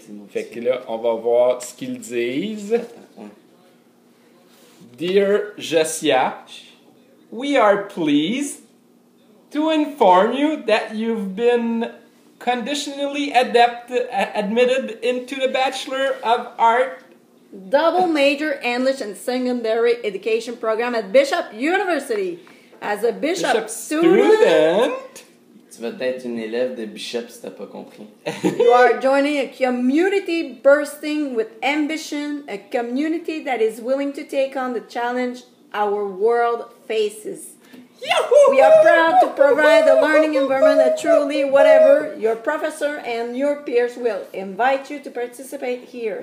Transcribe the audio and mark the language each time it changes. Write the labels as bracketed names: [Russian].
[French] Fait que là, on va voir ce qu'ils disent. [English] Dear Josia, we are pleased to inform you that you've been conditionally admitted into the Bachelor of Art double major English and secondary education program at Bishop University. As a Bishop student. [French] Tu vas être une élève de Bishop si t'as pas compris. [English] You are joining a community bursting with ambition, a community that is willing to take on the challenge our world faces. Yahoo! We are proud to provide a learning environment that truly whatever your professor and your peers will invite you to participate here.